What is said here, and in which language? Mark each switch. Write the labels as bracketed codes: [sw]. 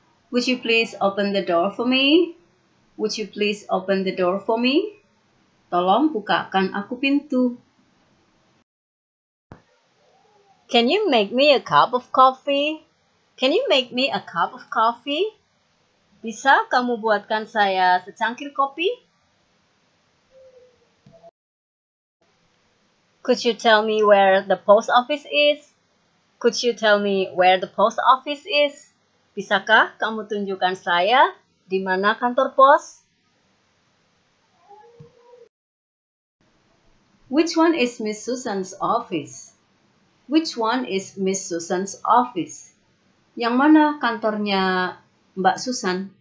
[en] Would you please open the door for me? Would you please open the door for me? [id] Tolong bukakan aku pintu. [en] Can you make me a cup of coffee? Can you make me a cup of coffee? [id] Bisa kamu buatkan saya secangkir kopi? [en] Could you tell me where the post office is? Could you tell me where the post office is? [id] Bisakah kamu tunjukkan saya di mana kantor pos? [en] Which one is Miss Susan's office? Which one is Miss Susan's office? [id] Yang mana kantornya Mbak Susan?